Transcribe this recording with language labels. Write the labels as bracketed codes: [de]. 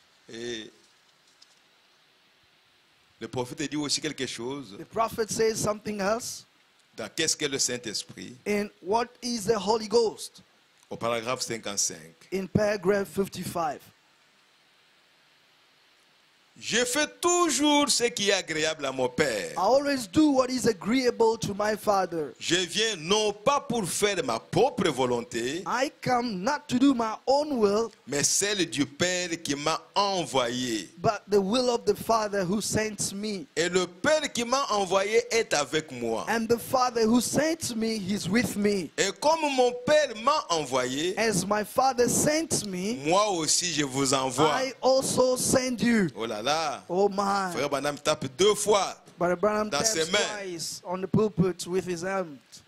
[fr] Et le prophète dit aussi quelque chose. [en] The prophet says something else. [fr] Dans qu'est-ce que le Saint-Esprit? [en] In what is the Holy Ghost? [fr] Au paragraphe 55. [en] In paragraph 55. [fr] Je fais toujours ce qui est agréable à mon Père. [en] I always do what is agreeable to my Father. [fr] Je viens non pas pour faire ma propre volonté. [en] I come not to do my own will. [fr] Mais celle du Père qui m'a envoyé. [en] But the will of the Father who sent me. [fr] Et le Père qui m'a envoyé est avec moi. [en] And the Father who sent me is with me. [fr] Et comme mon Père m'a envoyé. [en] As my Father sent me. [fr] Moi aussi je vous envoie. [en] I also send you. [fr] Oh là là. [en] Oh my. [fr] Frère Branham tape deux fois. [en] Brother Branham [fr] dans [en] taps [fr] ses mains. [en] Twice on the pulpit with his hand.